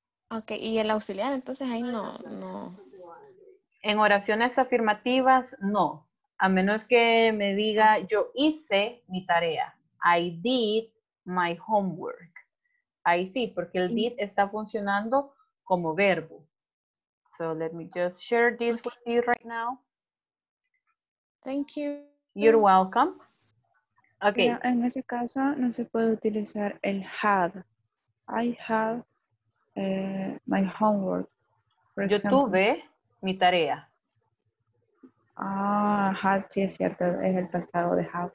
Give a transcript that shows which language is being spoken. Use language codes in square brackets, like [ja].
[es] Ok, y el auxiliar, entonces ahí no, no. En oraciones afirmativas, no. A menos que me diga, yo hice mi tarea. [en] I did my homework. [es] Ahí sí, porque el did está funcionando como verbo. [en] So let me just share this with you right now. Thank you. You're welcome. Okay. [es] Pero en ese caso no se puede utilizar el had. [en] I have my homework. For yo example. [es] Tuve mi tarea. Ah, had, sí, es cierto, es el pasado de have.